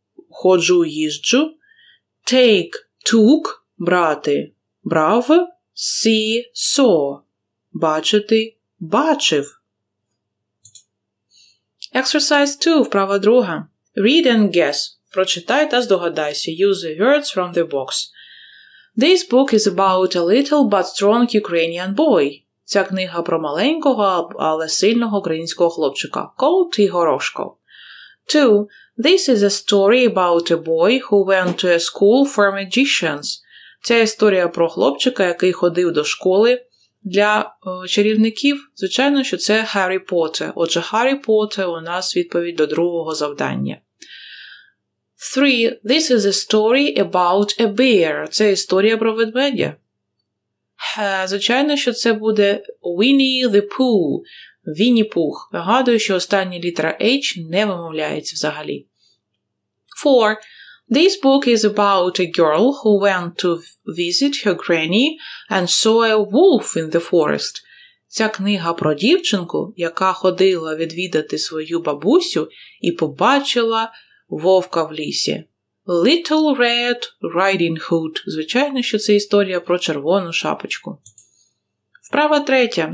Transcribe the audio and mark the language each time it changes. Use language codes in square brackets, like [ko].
[uk] ходжу – їжджу, [en] take – took, [uk] брати – брав, [en] see – saw, [uk] бачити – бачив. [en] Exercise 2, [uk] вправа друга. [en] Read and guess. [uk] Прочитай та здогадайся. [en] Use the words from the box. This book is about a little but strong Ukrainian boy. [uk] Ця книга про маленького, але сильного українського хлопчика. Коти Горошко. 2. [en] This is a story about a boy who went to a school for magicians. [uk] Ця історія про хлопчика, який ходив до школи для чарівників, звичайно, що це Harry Potter. Отже, Harry Potter у нас відповідь до другого завдання. 3. [en] This is a story about a bear. [uk] Це історія про ведмедя. Звичайно, що це буде Winnie the Pooh. Вінні-Пух. Нагадую, що остання літера H не вимовляється взагалі. 4. [en] This book is about a girl who went to visit her granny and saw a wolf in the forest. [uk] Ця книга про дівчинку, яка ходила відвідати свою бабусю і побачила вовка в лісі. Little Red Riding Hood. Звичайно, що це історія про червону шапочку. Справа третя.